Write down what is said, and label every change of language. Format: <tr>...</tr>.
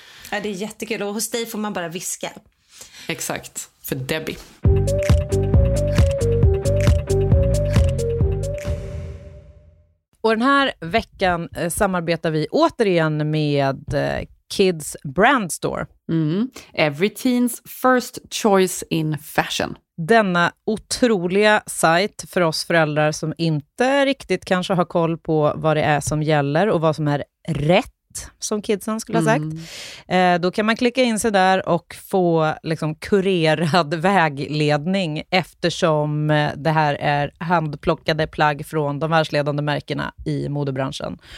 <sv>Ja, det är jättekul. Och hos dig får man bara viska. Exakt. För Debbie. Och den här veckan samarbetar vi återigen med Kids Brand Store. Mm.</sv> <en>Every teen's first choice in fashion.</en> <sv>Denna otroliga sajt för oss föräldrar som inte riktigt kanske har koll på vad det är som gäller och vad som är rätt. Som kidsen skulle ha sagt. Då kan man klicka in sig där och få liksom kurerad vägledning, eftersom det här är handplockade plagg från de världsledande märkena i modebranschen.</sv>